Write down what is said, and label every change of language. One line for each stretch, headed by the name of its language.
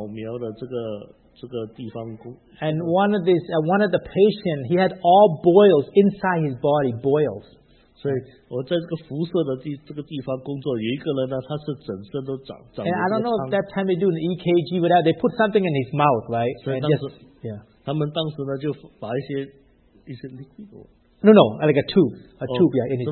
Chinese: 所以有一次呢，我在这个扫描的这个地方工。
English: And one of the patients, he had all boils inside his body, boils.
Chinese: 所以我在这个辐射的地这个地方工作，有一个人呢，他是整身都长。
English: And I don't know if that time they do an EKG, but they put something in his mouth, right?
Chinese: 所以当时，他们当时呢就把一些 liquid.
English: No, no, like a tube, yeah, in his mouth.